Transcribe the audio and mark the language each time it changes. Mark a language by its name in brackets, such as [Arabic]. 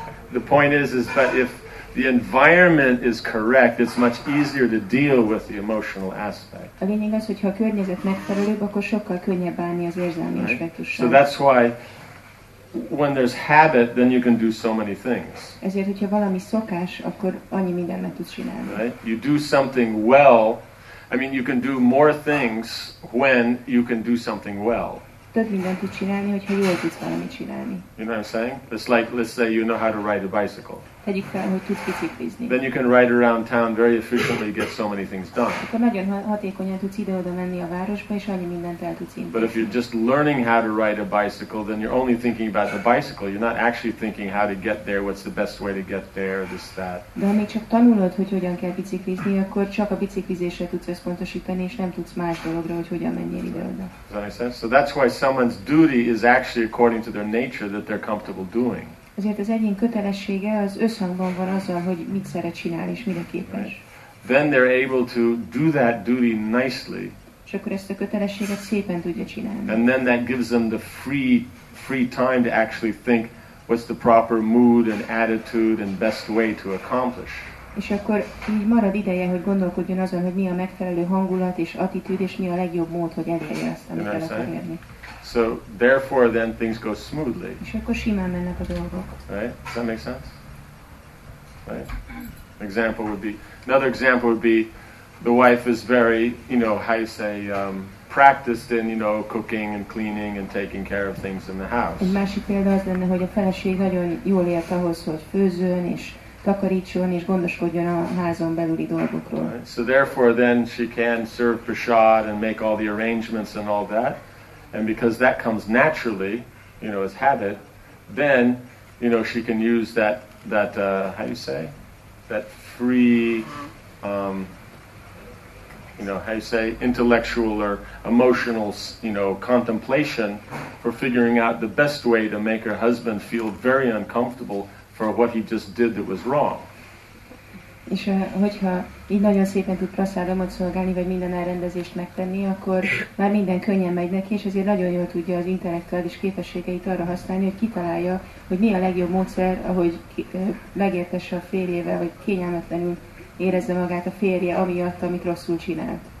[English] The point is that if the environment is correct, it's much easier to deal with the emotional aspect. [Hungarian] A lényeg az, hogyha a környezet megfelelőbb, akkor sokkal könnyebb bánni az érzelmi aspektussal. [English] So that's why when there's habit, then you can do so many things. [Hungarian] Ezért, hogyha valami szokás, akkor annyi mindent meg tudsz csinálni. [English] Right? You do something well. I mean, you can do more things when you can do something well. [Hungarian] Több mindent tud csinálni, hogyha jól tudsz valamit csinálni. [English] You know what I'm saying? It's like, let's say you know how to ride a bicycle. [Hungarian] Tegyük fel, hogy tudsz biciklizni. [English] Then you can ride around town very efficiently, get so many things done. [Hungarian] Akkor nagyon hatékonyan tudsz ide-oda menni a városba, és annyi mindent el tudsz intézni. [English] But if you're just learning how to ride a bicycle, then you're only thinking about the bicycle. You're not actually thinking how to get there, what's the best way to get there, this, that. [Hungarian] De ha még csak tanulod, hogy hogyan kell biciklizni, akkor csak a biciklizésre tudsz összpontosítani, és nem tudsz más dologra, hogy hogyan menjél ide-oda. [English] Does that make sense? So that's why someone's duty is actually according to their nature that they're comfortable doing. [Hungarian] Azért az egyén kötelessége az összhangban van azzal, hogy mit szeret csinálni és mire képes. [English] Right. Then they're able to do that duty nicely. [Hungarian] És akkor ezt a kötelességet szépen tudja csinálni. [English] And then that gives them the free time to actually think what's the proper mood and attitude and best way to accomplish. [Hungarian] És akkor így marad ideje, hogy gondolkodjon azon, hogy mi a megfelelő hangulat és attitűd, és mi a legjobb mód, hogy elérje azt, amit el akar érni. [English] So therefore then things go smoothly. [Hungarian] És akkor simán mennek a dolgok. [English] Right? Does that make sense? Right? Another example would be the wife is very, you know, how you say, practiced in, you know, cooking and cleaning and taking care of things in the house. [Hungarian] Egy másik példa az lenne, hogy a feleség nagyon jól ért ahhoz, hogy főzőn és takarítson és gondoskodjon a házon belüli dolgokról. [English] Right? So therefore then she can serve prasad and make all the arrangements and all that. And because that comes naturally, you know, as habit, then, you know, she can use that free intellectual or emotional, you know, contemplation for figuring out the best way to make her husband feel very uncomfortable for what he just did that was wrong. [Hungarian] És hogyha így nagyon szépen tud prasádomot szolgálni, vagy minden elrendezést megtenni, akkor már minden könnyen megy neki, és ezért nagyon jól tudja az intellektuális képességeit arra használni, hogy kitalálja, hogy mi a legjobb módszer, ahogy megértesse a férjével, vagy kényelmetlenül érezze magát a férje, amiatt, amit rosszul csinált.